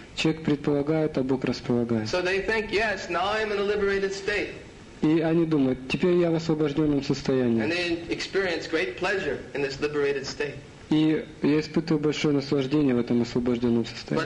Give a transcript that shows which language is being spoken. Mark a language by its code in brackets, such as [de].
[ru] Человек предполагает, а Бог располагает. [en] So they think, yes, now I'm in a liberated state. [ru] И они думают, теперь я в освобожденном состоянии. [en] And they experience great pleasure in this liberated state. [ru] И я испытываю большое наслаждение в этом освобожденном состоянии.